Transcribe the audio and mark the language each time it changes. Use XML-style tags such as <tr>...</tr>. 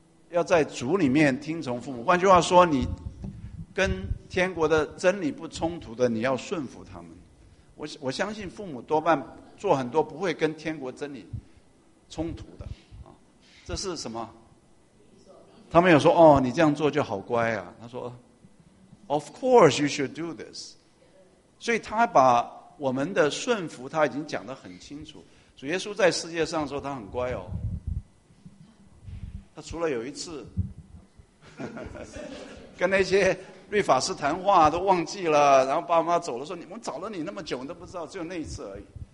<zh>要在主里面听从父母。换句话说，你跟天国的真理不冲突的，你要顺服他们。我相信父母多半做很多不会跟天国真理冲突的啊。这是什么？他们有说哦，你这样做就好乖啊。他说。</zh> <en>Of course you should do this.</en> <zh>所以他把我们的顺服他已经讲得很清楚。主耶稣在世界上的时候他很乖哦。他除了有一次跟那些律法师谈话都忘记了，然后爸妈走了说你们找了你那么久你都不知道，只有那一次而已。</zh>